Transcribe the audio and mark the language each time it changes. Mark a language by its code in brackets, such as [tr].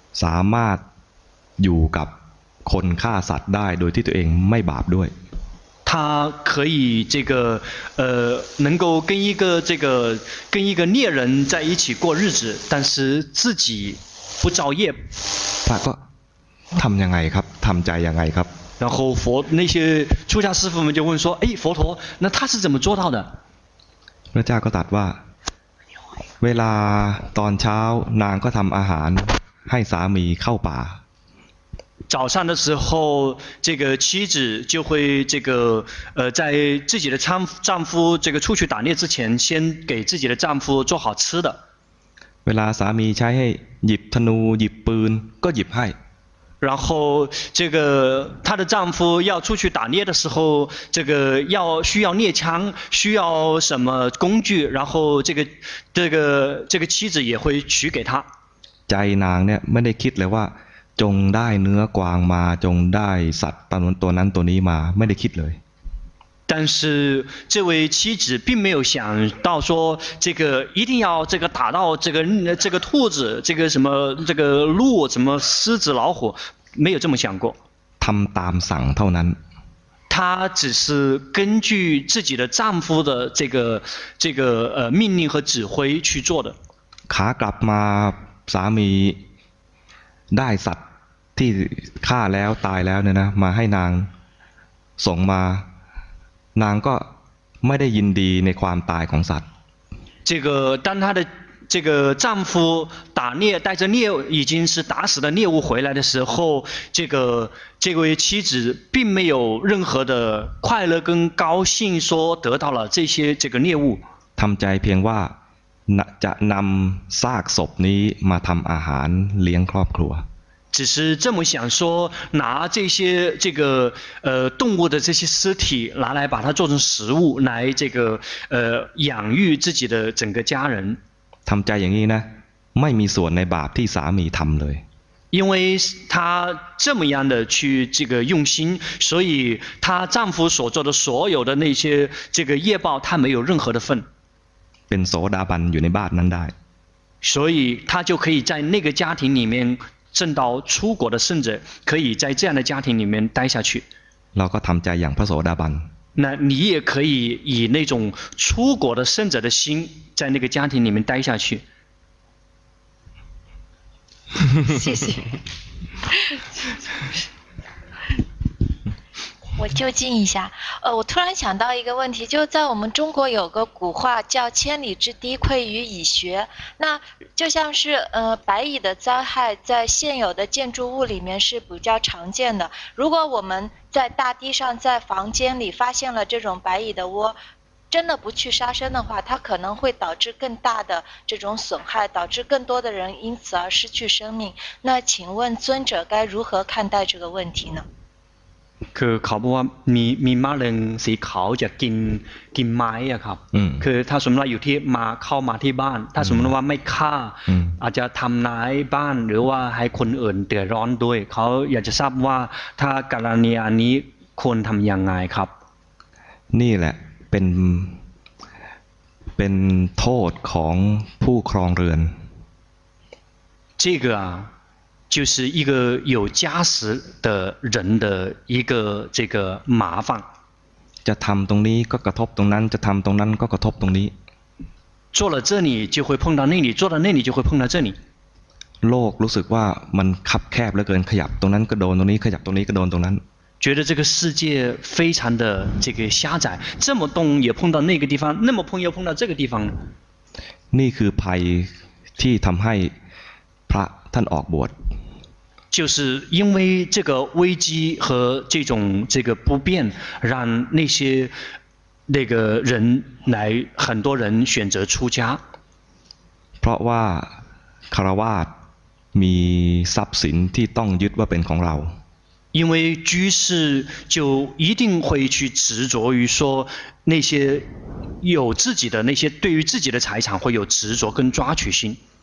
[th] สามารถอยู่กับคนฆ่าสัตว์ได้โดยที่ตัวเองไม่บาปด้วย [zh] 他可以这个能够跟一个这个跟一个猎人在一起过日子但是自己不造业他 [th] ก็ทำยังไงครับทำใจยังไงครับ [zh] 然后佛那些出家师父们就问说哎佛陀那他是怎么做到的 [th] พระเจ้าก็ตรัสว่าเวลาตอนเช้านางก็ทำอาหารให้สามีเข้าป่า [zh] 早上的时候这个妻子就会这个在自己的丈夫这个出去打猎之前先给自己的丈夫做好吃的 [th] เวลาสามีใช้ให้หยิบธนูหยิบปืนก็หยิบให้ [zh] 然后这个她的丈夫要出去打猎的时候这个要需要猎枪需要什么工具然后这个妻子也会取给她 [th] ใจนางเนี่ยไม่ได้คิดเลยว่าจงได้เนื้อกวางมาจงได้สัตว์ตัวนั้นตัวนี้มาไม่ได้คิดเลย [zh] 但是这位妻子并没有想到说这个一定要这个打到这个兔子这个什么这个鹿什么狮子老虎没有这么想过 [th] ทำตามสั่งเท่านั้น [zh] 她只是根据自己的丈夫的这个命令和指挥去做的 [th] ขากลับมาสามีได้สัตว์ที่ฆ่าแล้วตายแล้วเนี่ยนะมาให้นางส่งมานางก็ไม่ได้ยินดีในความตายของสัตว์ [zh] 这个当她的这个丈夫打猎带着猎已经是打死的猎物回来的时候这位妻子并没有任何的快乐跟高兴说得到了这个猎物 [th] ทำใจเพียงว่าจะนำซากศพนี้มาทำอาหารเลี้ยงครอบครัว [zh] 只是这么想说拿这些这个动物的这些尸体拿来把它做成食物来这个养育自己的整个家人 [th] ทำใจอย่างนี้นะไม่มีส่วนในบาปที่สามีทำเลย [zh] 因为她这么样的去这个用心所以她丈夫所做的所有的那些这个业报她没有任何的份 [th] เป็นโสดาบันอยู่ในบ้านนั้นได้ [zh] 所以他就可以在那个家庭里面证到出国的圣者，可以在这样的家庭里面待下去。 [th] แล้วก็ทำใจอย่างพระโสดาบัน [zh] 那你也可以以那种出国的圣者的心，在那个家庭里面待下去。谢谢。我就近一下，我突然想到一个问题，就在我们中国有个古话叫“千里之堤溃于蚁穴”，那就像是白蚁的灾害在现有的建筑物里面是比较常见的。如果我们在大地上，在房间里发现了这种白蚁的窝，真的不去杀生的话，它可能会导致更大的这种损害，导致更多的人因此而失去生命。那请问尊者该如何看待这个问题呢？ [th] คือเขาบอกว่ามีมะเร็งสีขาวจะกินไม้อะครับคือถ้าสมมติว่าอยู่ที่มาเข้ามาที่บ้านถ้าสมมติว่าไม่ฆ่าอาจจะทำร้ายบ้านหรือว่าให้คนอื่นเดือดร้อนด้วยเขาอยากจะทราบว่าถ้ากรณีอันนี้ควรทำยังไงครับ นี่แหละเป็นโทษของผู้ครองเรือน [zh] 这个啊就是一个有家室的人的一个这个麻烦。 [th] จะทำตรงนี้ก็กระทบตรงนั้นจะทำตรงนั้นก็กระทบตรงนี้ [zh] 做了这里就会碰到那里做了那里就会碰到这里 [th] โลกรู้สึกว่ามันคับแคบเหลือเกินขยับตรงนั้นก็โดนตรงนี้ขยับตรงนี้ก็โดนตรงนั้น [zh] 觉得这个世界非常的这个狭窄这么动也碰到那个地方那么碰又碰到这个地方 [th] นี่คือภัยที่ทำให้พระท่านออกบวช [zh] 就是因为这个危机和这种这个不便让那些那个人来很多人选择出家 [th] เพราะว่าคารวาสมีทรัพย์สินที่ต้องยึดว่าเป็นของเรา [zh] 因为居士就一定会去执着于说那些有自己的那些对于自己的财产会有执着跟抓取心